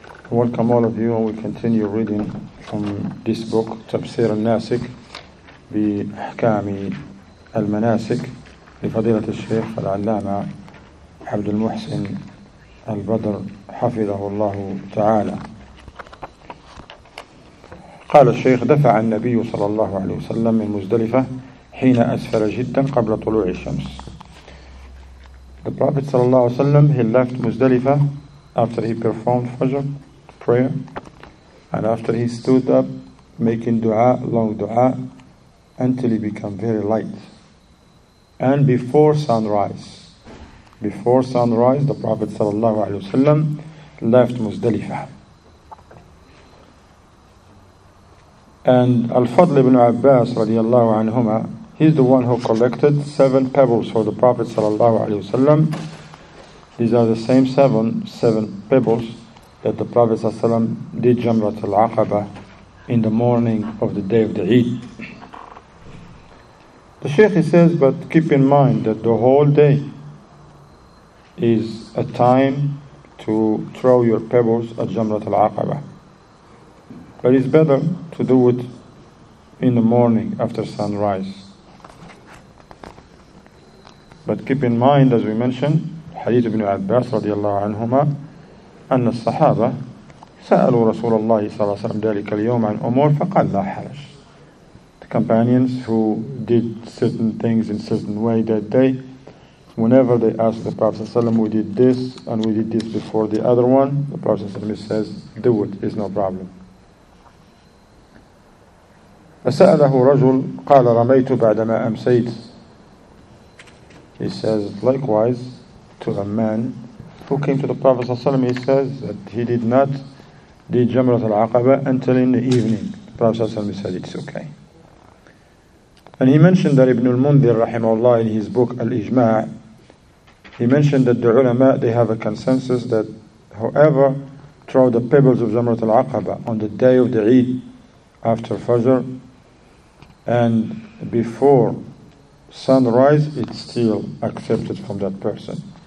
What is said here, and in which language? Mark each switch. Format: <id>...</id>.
<en>Welcome all of you, and we continue reading from this book, Tabseer al-Naasik, bi Ahkaam al-Manaasik, li Fadilat al-Shaykh al-Allama Abdul-Muhsin al-Badr, hafidhahu Allah ta'ala.</en> <ar>قال الشيخ دفع النبي صلى الله عليه وسلم من مزدلفة حين أسفر جدا قبل طلوع الشمس.</ar> <en>The Prophet صلى الله عليه وسلم, he left Muzdalifah after he performed Fajr prayer, and after he stood up making dua, long dua, until he became very light, and before sunrise the Prophet sallallahu alaihi wasallam left Muzdalifah. And Al-Fadl ibn Abbas radiyallahu anhuma, he's the one who collected 7 pebbles for the Prophet sallallahu alaihi wasallam. These are the same seven pebbles that the Prophet ﷺ did Jamrat al-Aqaba in the morning of the day of the Eid. The Shaykh, he says, but keep in mind that the whole day is a time to throw your pebbles at Jamrat al-Aqaba. But it's better to do it in the morning after sunrise. But keep in mind, as we mentioned, Hadith ibn Abbas radiallahu anhuma,</en> <ar>أن الصحابة سألوا رسول الله صلى الله عليه وسلم ذلك اليوم عن أمور فقال لا حرج.</ar> <en>The companions who did certain things in certain way that day, whenever they asked the Prophet صلى الله عليه وسلم, we did this and we did this before the other one, the Prophet صلى الله عليه وسلم says, do it, is no problem.</en> <ar>فسأله رجل قال رميت بعدما أمسيت.</ar> <en>He says likewise to a man who came to the Prophet ﷺ, he says that he did not do Jamrat al-Aqaba until in the evening. The Prophet ﷺ said it's okay. And he mentioned that Ibn al-Mundhir rahimahullah in his book Al-Ijma', he mentioned that the ulama, they have a consensus that whoever throw the pebbles of Jamrat al-Aqaba on the day of the Eid after Fajr and before sunrise, it's still accepted from that person.</en>